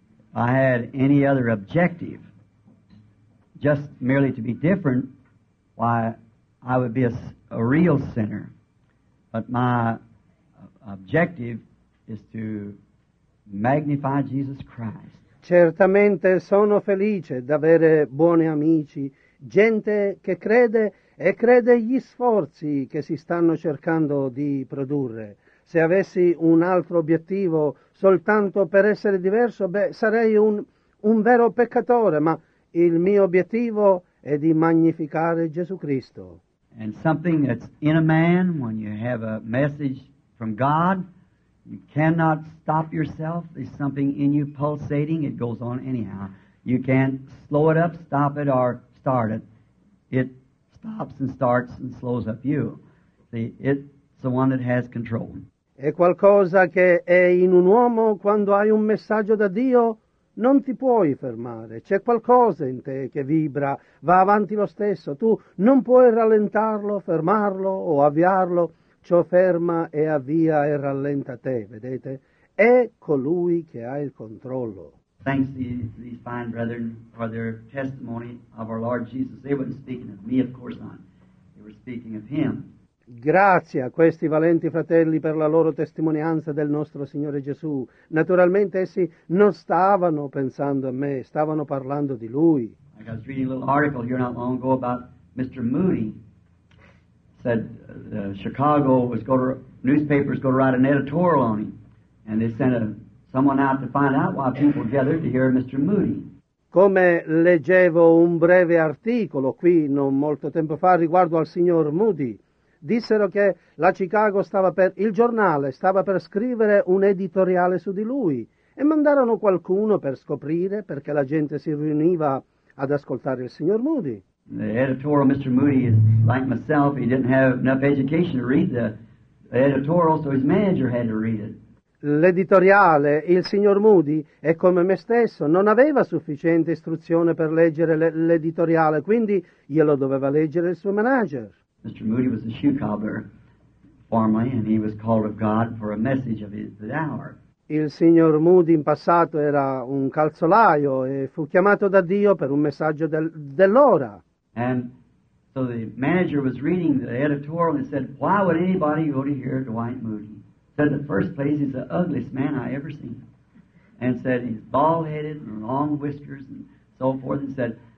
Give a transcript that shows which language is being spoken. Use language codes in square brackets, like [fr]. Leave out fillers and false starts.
[en] If I had any other objective, just merely to be different, why, I would be a real sinner. But my objective is to magnify Jesus Christ. [it] Certamente sono felice d'avere buoni amici, gente che crede e crede gli sforzi che si stanno cercando di produrre. Se avessi un altro obiettivo soltanto per essere diverso, beh, sarei un vero peccatore, ma il mio obiettivo è di magnificare Gesù Cristo. [en] And something that's in a man, when you have a message from God, you cannot stop yourself. There's something in you pulsating, it goes on anyhow. You can't slow it up, stop it, or start it. It stops and starts and slows up you. See, it's the one that has control. [it] È qualcosa che è in un uomo quando hai un messaggio da Dio, non ti puoi fermare. C'è qualcosa in te che vibra, va avanti lo stesso. Tu non puoi rallentarlo, fermarlo o avviarlo. Ciò ferma e avvia e rallenta te, vedete? È colui che ha il controllo. [en] Thanks to these fine brethren for their testimony of our Lord Jesus. They weren't speaking of me, of course not. They were speaking of Him. [it] Grazie a questi valenti fratelli per la loro testimonianza del nostro Signore Gesù. Naturalmente essi non stavano pensando a me, stavano parlando di Lui. [en] I was reading a little article here not long ago about Mr. Moody. Said Chicago was going to, newspapers going to write an editorial on him. And they sent someone out to find out why people gathered to hear Mr. Moody. [it] Come leggevo un breve articolo qui non molto tempo fa riguardo al Signor Moody. Dissero che la Chicago stava per scrivere un editoriale su di lui e mandarono qualcuno per scoprire perché la gente si riuniva ad ascoltare il signor Moody. [en] The editorial Mr. Moody is like myself, he didn't have enough education to read the editorial, so his manager had to read it. [it] L'editoriale, il signor Moody, è come me stesso, non aveva sufficiente istruzione per leggere l'editoriale, quindi glielo doveva leggere il suo manager. [en] Mr. Moody was a shoe cobbler formerly, and he was called of God for a message of his hour. [it] Il signor Moody in passato era un calzolaio e fu chiamato da Dio per un messaggio dell'ora. [en] And so the manager was reading the editorial and said, "Why would anybody go to hear Dwight Moody?" Said, "In the first place, he's the ugliest man I ever seen." And said, "He's bald-headed and long whiskers and so forth," and said,